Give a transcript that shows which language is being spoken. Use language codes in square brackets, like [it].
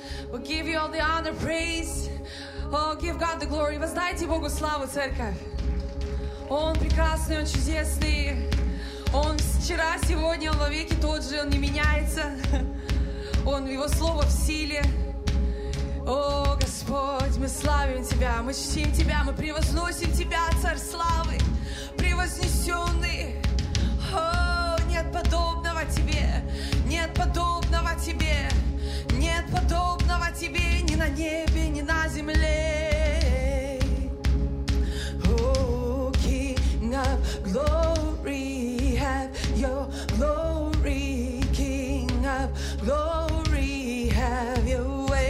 [en] We give you all the honor, praise. Oh, give God the glory. [ru] Воздайте Богу славу, церковь. Он прекрасный, он чудесный. Он вчера, сегодня, он вовеки тот же, он не меняется. Он, его слово в силе. О, Господь, мы славим Тебя, мы чтим Тебя, мы превозносим Тебя, Царь славы, превознесенный. О, нет подобного Тебе, нет подобного Тебе, нет подобного Тебе ни на небе, ни на земле. [en] О, King of Glory, have Your glory, King of Glory, have Your